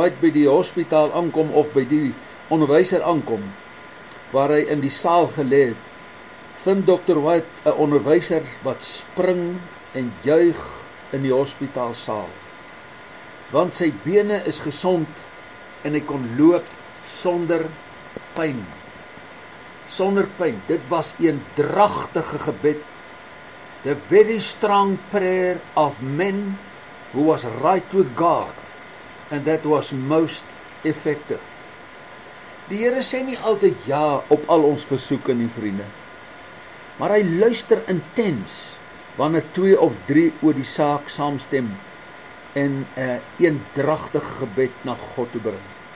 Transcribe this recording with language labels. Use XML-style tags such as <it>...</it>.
<af>White by die hospitaal aankom, of by die onderwyser aankom, waar hy in die saal gelê het, vind Dr. White 'n onderwyser wat spring en juig in die hospitaalsaal, want sy bene is gesond en hy kon loop sonder pyn. Sonder pyn, dit was een dragtige gebed.</af> <en>The very strong prayer of men who was right with God. And that was most effective.</en> <af>Die Here sê nie altyd ja op al ons versoeke nie, vriende. Maar hy luister intens wanneer twee of drie oor die saak saamstem en 'n eendragtige gebed na God toe bring.</af>